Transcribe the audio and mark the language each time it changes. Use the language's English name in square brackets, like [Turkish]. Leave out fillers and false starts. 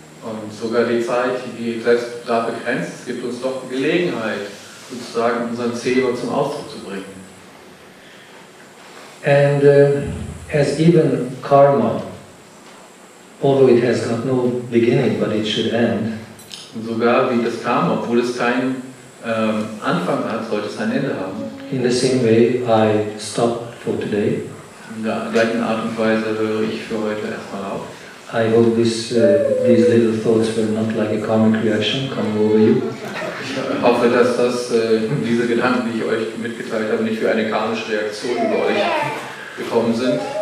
[German] Und sogar die Zeit, die selbst da begrenzt, gibt uns doch Gelegenheit, sozusagen unseren Zehner zum Ausdruck zu bringen. [English] And as even karma, although it has got no beginning, but it should end. [German] Und sogar wie das Karma, obwohl es keinen Anfang hat, sollte es ein Ende haben. [English] In the same way, I stop for today. [German] In der gleichen Art und Weise höre ich für heute erstmal auf. [English] I hope these little thoughts were not like a karmic reaction coming over you. [German] Ich hoffe, dass diese Gedanken, die ich euch mitgeteilt habe, nicht wie eine karmische Reaktion über euch gekommen sind.